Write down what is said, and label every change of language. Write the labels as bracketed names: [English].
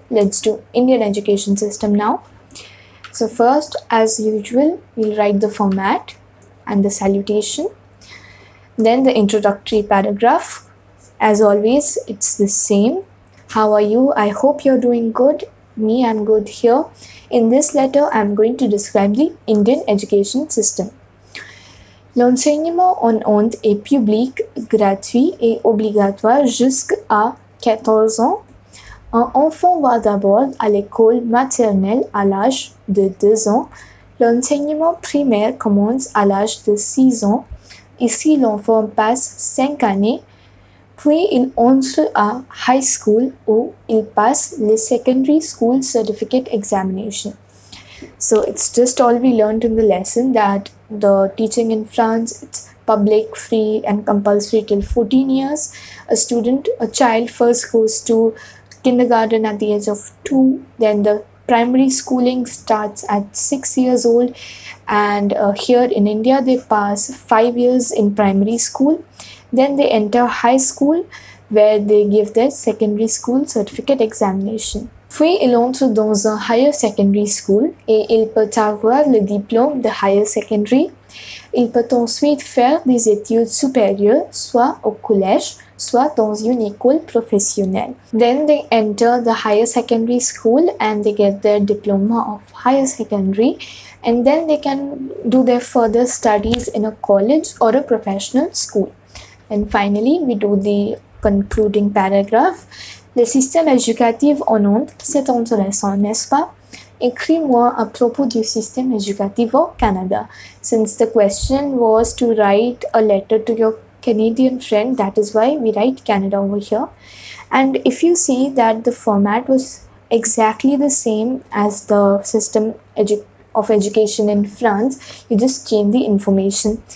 [English] Let's do Indian education system now. So first, as usual, we'll write the format and the salutation. Then the introductory paragraph. As always, it's the same. How are you? I hope you're doing good. Me, I'm good here. In this letter, I'm going to describe the Indian education system. [French] L'enseignement en onde est public, gratuit et obligatoire jusqu'à 14 ans. Un enfant va d'abord à l'école maternelle à l'âge de 2 ans. L'enseignement primaire commence à l'âge de 6 ans. Ici, l'enfant passe 5 années. Puis il entre à high school où il passe le secondary school certificate examination. [English] So it's just all we learned in the lesson that the teaching in France, it's public, free and compulsory till 14 years. A student, a child first goes to kindergarten at the age of 2. Then the primary schooling starts at 6 years old. And here in India, they pass 5 years in primary school. Then they enter high school where they give their secondary school certificate examination. [French] Puis il entre dans un higher secondary school et il peut avoir le diplôme de higher secondary. Il peut ensuite faire des études supérieures, soit au collège, soit dans une école professionnelle. [English] Then they enter the higher secondary school and they get their diploma of higher secondary. And then they can do their further studies in a college or a professional school. And finally, we do the concluding paragraph. [French] Le système éducatif en Inde, c'est intéressant, n'est-ce pas? Écris-moi à propos du système éducatif au Canada. [English] Since the question was to write a letter to your Canadian friend, that is why we write Canada over here. And if you see that the format was exactly the same as the system of education in France, you just change the information.